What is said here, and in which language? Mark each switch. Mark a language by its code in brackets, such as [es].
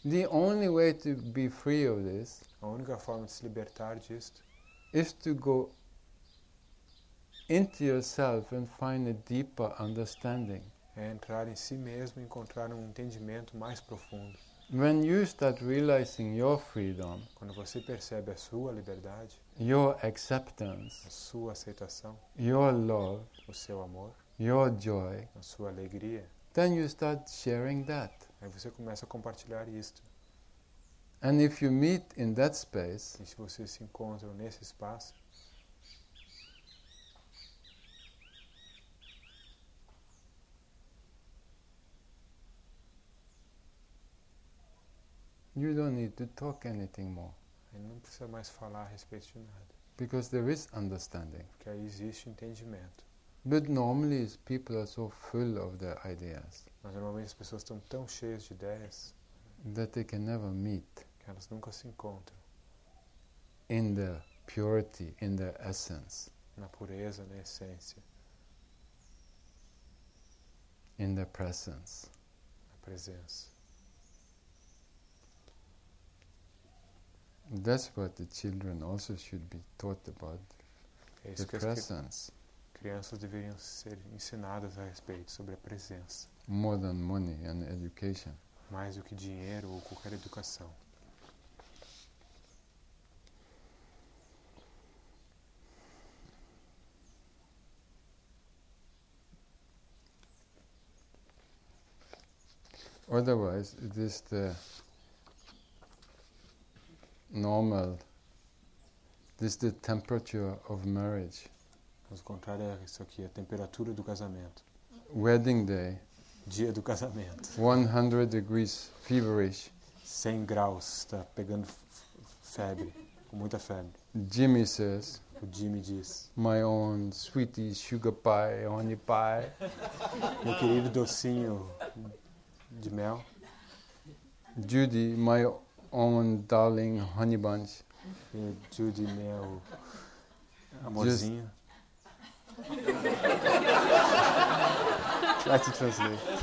[en] The only way to be free of this. [pt] A única forma de se libertar disto. [en] Is to go into yourself and find a deeper understanding. [pt] É entrar em si mesmo e encontrar um entendimento mais profundo. [en] When you start realizing your freedom, [pt] quando você percebe a sua liberdade, [en] your acceptance, [pt] a sua aceitação, [en] your love, [pt] o seu amor, [en] your joy, [pt] a sua alegria, [en] then you start sharing that. [pt] Aí você começa a compartilhar isto. [en] And if you meet in that space, [pt] e se você se encontra nesse espaço, [en] you don't need to talk anything more. [pt] Ele não precisa mais falar a respeito de nada. [en] Because there is understanding. [pt] Porque aí existe entendimento. [en] But normally people are so full of their ideas. [pt] Mas normalmente as pessoas estão tão cheias de ideias. [en] That they can never meet. [pt] Que elas nunca se encontram. [en] In the purity, in the essence. [pt] Na pureza, na essência. [en] In the presence. [pt] Na presença. [en] That's what the children also should be taught about. [pt] É isso, [en] the presence. [pt] Crianças deveriam ser ensinadas a respeito sobre a presença. [en] More than money and education. [pt] Mais do que dinheiro ou qualquer educação. [en] Otherwise, it is the normal. This is the temperature of marriage. [pt] Ao contrário, é isso aqui, a temperatura do casamento. [en] Wedding day. [pt] Dia do casamento. [en] 100 degrees feverish. [pt] 100 graus, está pegando febre, com muita febre. [en] Jimmy says. [pt] O Jimmy diz. [en] My own sweetie sugar pie, honey pie. [pt] Meu querido docinho de mel. [en] Judy, my own darling honey bunch. [pt] Judy, meu amorzinho. [en] Try to translate.